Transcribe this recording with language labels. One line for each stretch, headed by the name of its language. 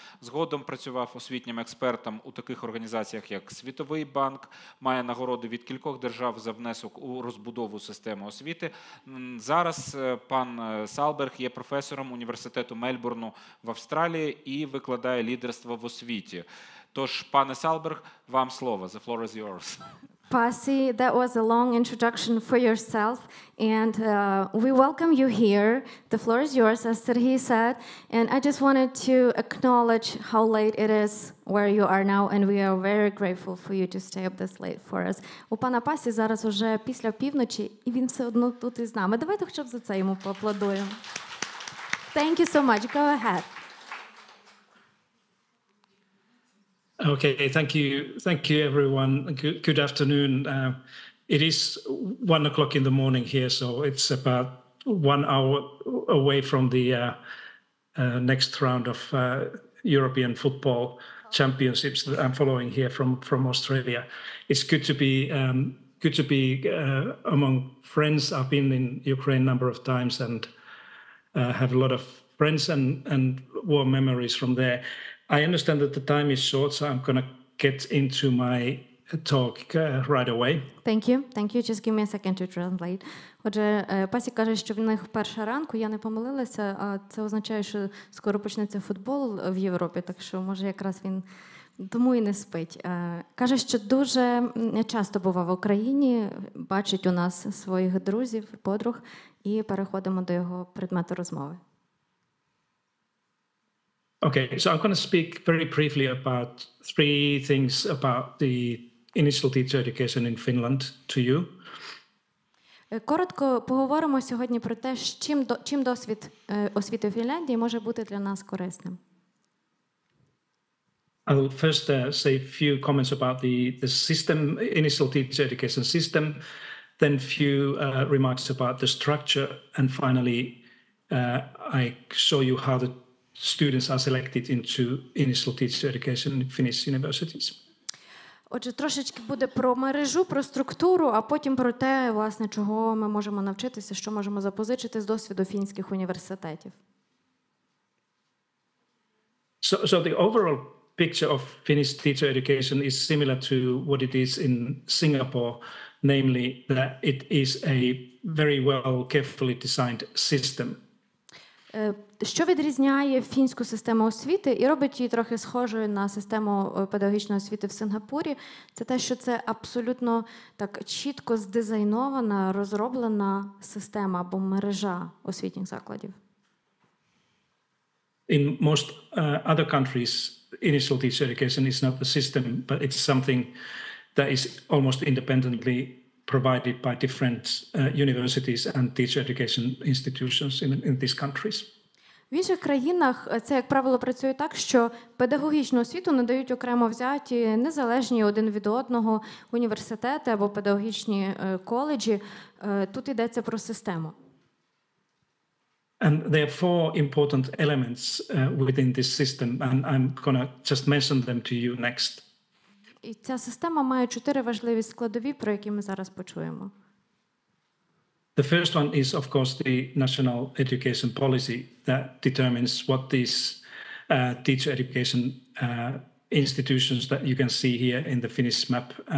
Ukrainian: Згодом працював освітнім експертом у таких організаціях, як Світовий банк, має нагороди від кількох держав за внесок у розбудову системи освіти. Зараз пан Салберг є професором університету Мельбурну в Австралії і викладає лідерство в освіті. Тож, пане Салберг, вам слово.
English: The floor is yours. Пасі, that was a long introduction for yourself, and we welcome you here. The floor is yours, as Сергій said, and I just wanted to acknowledge how late it is where you are now, and we are very grateful for you to stay up this late for us.
Ukrainian: У пана Пасі зараз уже після півночі, і він все одно тут із нами. Давайте хоча б за це йому поаплодуємо.
English: Thank you so much. Go ahead. Okay, thank you everyone. Good afternoon. It is 1 o'clock in the morning here, so it's about 1 hour away from the next round of European football championships that I'm following here from Australia. It's good to be among friends. I've been in Ukraine a number of times and have a lot of friends and warm memories from there. I understand that the time is short, so I'm going to get into my talk right away. Thank you. Just give me a second to translate.
Ukrainian: Отже, Пасі каже, що в них перша ранку, я не помилилася, а це означає, що скоро почнеться футбол в Європі, так що, може, якраз він тому і не спить. Каже, що дуже часто бував в Україні, бачить у нас своїх друзів, подруг, і переходимо до його предмету розмови.
English: Okay, so I'm going to speak very briefly about three things about the initial teacher education in Finland to you.
Ukrainian: Коротко поговоримо сьогодні про те, чим досвід освіти в Фінляндії може бути для нас корисним.
English: I'll first say a few comments about the system, initial teacher education system, then few remarks about the structure, and finally I show you how the students are selected into initial teacher education in Finnish universities.
Ukrainian: Отже, трошечки буде про мережу, про структуру, а потім про те, власне, чого ми можемо навчитися, що можемо запозичити з досвіду фінських університетів.
English: So the overall picture of Finnish teacher education is similar to what it is in Singapore, namely that it is a very well carefully designed system.
Ukrainian: Що відрізняє фінську систему освіти і робить її трохи схожою на систему педагогічної освіти в Сингапурі, це те, що це абсолютно так чітко здизайнована, розроблена система або мережа освітніх закладів.
English: In most other countries, initial teacher education is not a system, but it's something that is almost independently provided by different universities and teacher education institutions in these countries.
Ukrainian: В інших країнах це, як правило, працює так, що педагогічну освіту надають окремо взяті, незалежні один від одного, університети або педагогічні коледжі. Тут йдеться про систему.
English: And there are four important elements within this system, and I'm going to just mention them to you next.
Ukrainian: І ця система має чотири важливі складові, про які ми зараз почуємо.
English: The first one is, of course, the national education policy that determines what these teacher education institutions that you can see here in the Finnish map